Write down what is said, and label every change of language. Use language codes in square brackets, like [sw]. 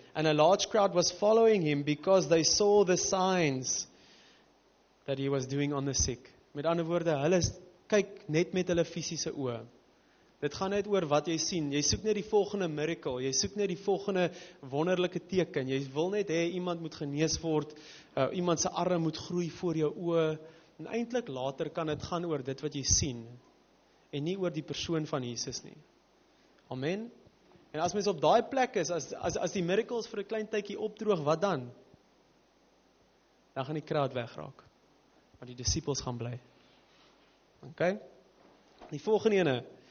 [en] And a large crowd was following him because they saw the signs that he was doing on the sick. [af] Met ander woorde, hulle kyk net met hulle fysiese oë. Dit gaan net oor wat jy sien. Jy soek net die volgende miracle. Jy soek net die volgende wonderlike teken. Jy wil net hê iemand moet genees word. Iemand se arm moet groei voor jou oë. En eintlik later kan dit gaan oor dit wat jy sien. En nie oor die persoon van Jesus nie. Amen. En as mens op daai plek is, as die miracles vir 'n klein tydjie opdroog, wat dan? Dan gaan die crowd wegraak. Maar die disciples gaan bly. OK? Die volgende ene